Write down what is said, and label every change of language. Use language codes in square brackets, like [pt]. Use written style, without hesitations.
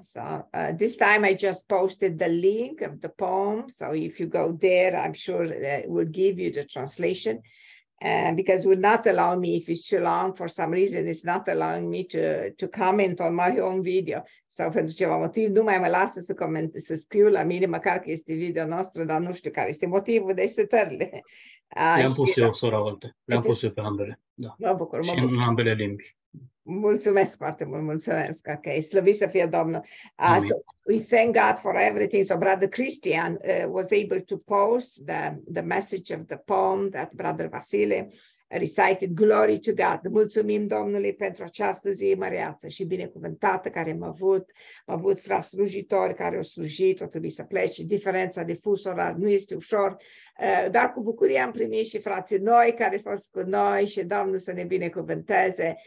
[en] So this time I just posted the link of the poem. So if you go there, I'm sure it will give you the translation. Because it would not allow me, if it's too long, for some reason, it's not allowing me to comment on my own video. [ro] So pentru ceva motiv, nu mai mă lasă să coment, să scriu la mine, măcar că este video nostru, dar nu știu care este motivul de setările. Le-am pus eu, sora Olte. Le-am pus eu pe ambele. Da. Mă bucur, mă bucur. Și în ambele limbi. Mulțumesc foarte mult, mulțumesc. [en] Okay. [ro] Slăvit să fie Domnul. [en] So we thank God for everything. So Brother Christian was able to post the message of the poem that Brother Vasile recited. Glory to God. [ro] Mulțumim Domnului pentru această zi măreață și binecuvântată care m-a avut. M-a avut fraslujitori care au slujit, au trebuit să plece. Diferența de fus orar nu este ușor. Dar cu bucurie am primit și frații noi care au fost cu noi și Domnul să ne binecuvânteze.